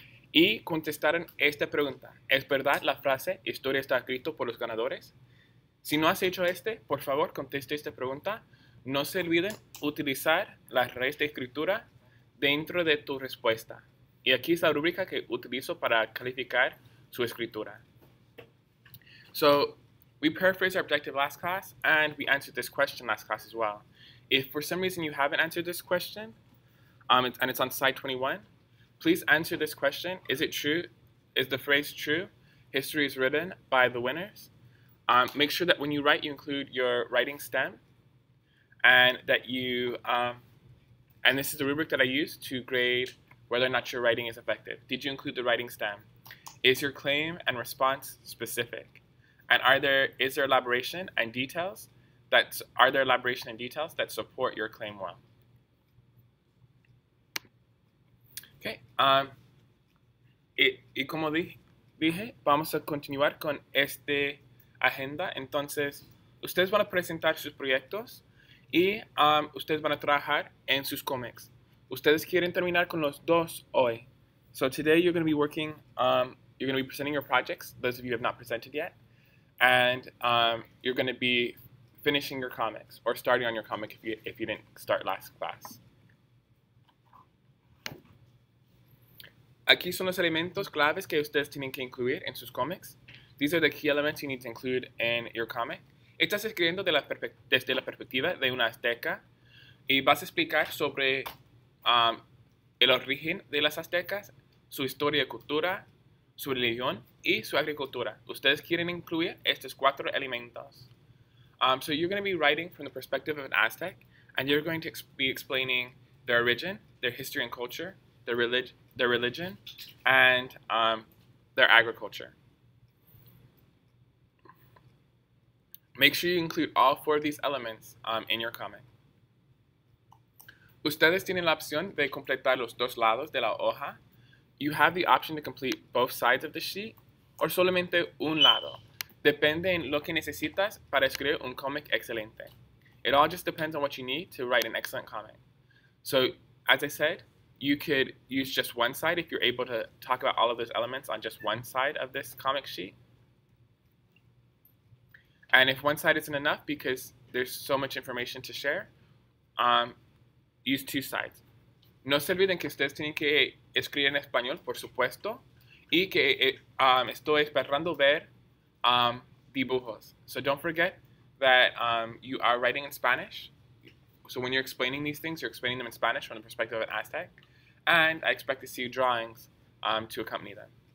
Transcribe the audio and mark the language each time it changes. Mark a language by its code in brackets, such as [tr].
[es] Y contestaron esta pregunta. ¿Es verdad la frase, historia está escrito por los ganadores? Si no has hecho este, por favor, conteste esta pregunta. No se olviden utilizar las redes de escritura dentro de tu respuesta. Y aquí es la rúbrica que utilizo para calificar su escritura. [en] So, we paraphrased our objective last class, and we answered this question last class as well. If for some reason you haven't answered this question, and it's on slide 21, please answer this question. Is it true? Is the phrase true? History is written by the winners. Make sure that when you write, you include your writing stem, and that you... And this is the rubric that I use to grade whether or not your writing is effective. Did you include the writing stem? Is your claim and response specific? And is there elaboration and details that are there elaboration and details that support your claim well? Okay. [es] Y como dije, vamos a continuar con esta agenda. Entonces, ustedes van a presentar sus proyectos. Y ustedes van a trabajar en sus cómics. Ustedes quieren terminar con los dos hoy. [en] So today you're going to be working, you're going to be presenting your projects, those of you who have not presented yet, and you're going to be finishing your comics, or starting on your comic if you didn't start last class. [es] Aquí son los elementos claves que ustedes tienen que incluir en sus cómics. [en] These are the key elements you need to include in your comic. [es] Estás escribiendo desde la perspectiva de una azteca y vas a explicar sobre el origen de las aztecas, su historia y cultura, su religión y su agricultura. Ustedes quieren incluir estos cuatro elementos. [en] So you're going to be writing from the perspective of an Aztec, and you're going to be explaining their origin, their history and culture, their religion, and their agriculture. Make sure you include all four of these elements in your comic. [es] Ustedes tienen la opción de completar los dos lados de la hoja. [en] You have the option to complete both sides of the sheet or [es] solamente un lado. Depende en lo que necesitas para escribir un comic excelente. [en] It all just depends on what you need to write an excellent comic. So, as I said, you could use just one side if you're able to talk about all of those elements on just one side of this comic sheet. And if one side isn't enough because there's so much information to share, use two sides. [es] No se olviden que ustedes tienen que escribir en español, por supuesto, y que estoy esperando ver dibujos. [en] So don't forget that you are writing in Spanish. So when you're explaining these things, you're explaining them in Spanish from the perspective of an Aztec. And I expect to see drawings to accompany them.